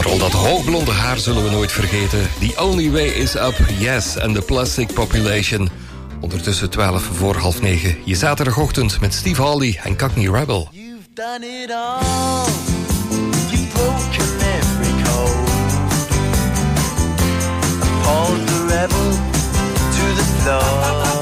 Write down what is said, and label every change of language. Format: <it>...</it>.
<nl>hoogblonde haar zullen we nooit vergeten.</nl> <en>The only way is up, yes, and the plastic population.</en> <nl>Ondertussen 9:45. Je zaterdagochtend met Steve Hawley en Cockney Rebel.</nl> <en>You've done it all. You've broken every code. Pulled the rebel to the floor.</en>